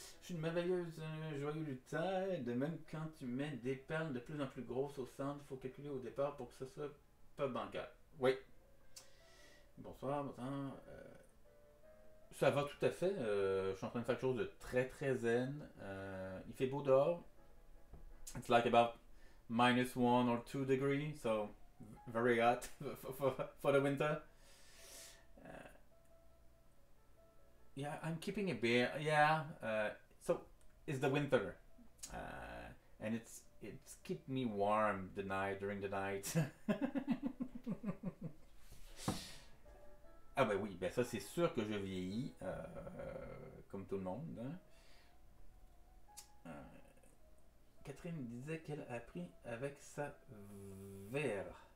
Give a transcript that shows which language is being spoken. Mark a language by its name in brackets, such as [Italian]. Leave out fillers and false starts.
[French] Une merveilleuse joyeuse lutin, de même quand tu mets des perles de plus en plus grosses au centre, il faut calculer au départ pour que ce soit bancal. Oui. Bonsoir, bonsoir. Ça va tout à fait. Je suis en train de faire quelque chose de très très zen. Il fait beau dehors. [English] It's like about minus one or two degrees, so very hot for the winter. Yeah, I'm keeping a beer. Yeah. So it's the winter, and it's keep me warm the night during the night. [French] Ah, ben oui, ben ça c'est sûr que je vieillis, comme tout le monde. Hein. Catherine disait qu'elle a appris avec sa verve.